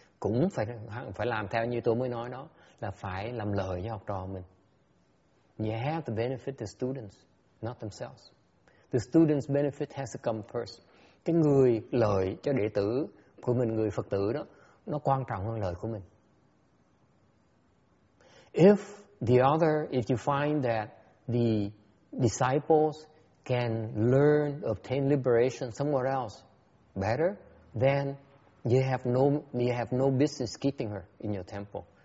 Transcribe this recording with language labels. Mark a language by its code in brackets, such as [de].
[vi] Cũng phải làm theo như tôi mới nói đó, là phải làm lời cho học trò mình. [en] You have to benefit the students, not themselves. The student's benefit has to come first. [vi] Cái người lợi cho đệ tử của mình, người Phật tử đó, nó quan trọng hơn lợi của mình. [en] If the other, if you find that the disciples can learn, obtain liberation somewhere else better, then you have no business keeping her in your temple.